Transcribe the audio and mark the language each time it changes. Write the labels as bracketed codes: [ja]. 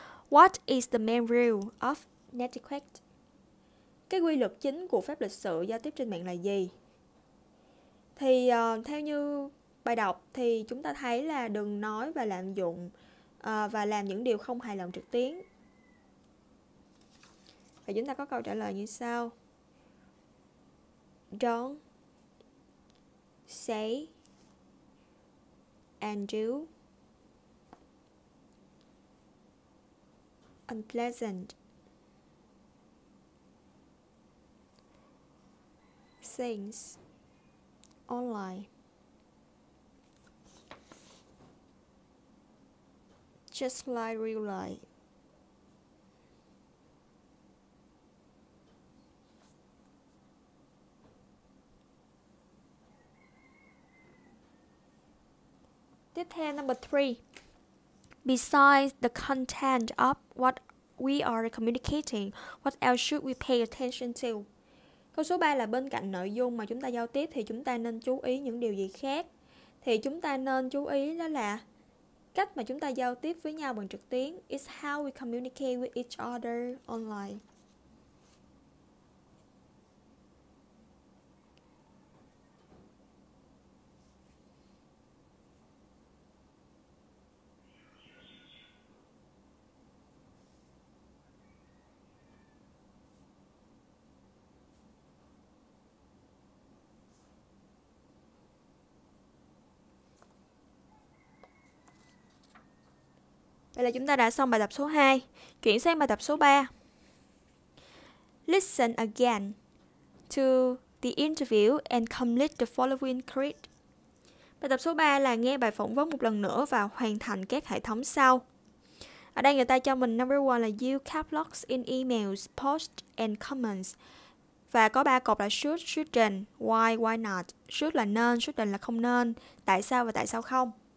[en] What is the main rule of netiquette? [vi] Cái quy luật chính của phép lịch sự giao tiếp trên mạng là gì? Thì theo như bài đọc thì chúng ta thấy là đừng nói và lạm dụng và làm những điều không hài lòng trực tuyến. Và chúng ta có câu trả lời như sau. [en] Don't say and do unpleasant things online just like real life. [vi] Tiếp theo, [en] number 3. Besides the content of what we are communicating, what else should we pay attention to? [vi] Câu số 3 là bên cạnh nội dung mà chúng ta giao tiếp thì chúng ta nên chú ý những điều gì khác? Thì chúng ta nên chú ý đó là cách mà chúng ta giao tiếp với nhau bằng trực tuyến. [en] It's how we communicate with each other online. [vi] Vậy là chúng ta đã xong bài tập số 2. Chuyển sang bài tập số 3. [en] Listen again. to the interview and complete the following script. [vi] Bài tập số 3 là nghe bài phỏng vấn một lần nữa và hoàn thành các hệ thống sau. Ở đây người ta cho mình number 1 là [en] use caplocks in emails, posts and comments. [vi] Và có 3 cột là should, shouldn't, [en] why not. [vi] Should là nên, shouldn't là không nên, tại sao và tại sao không.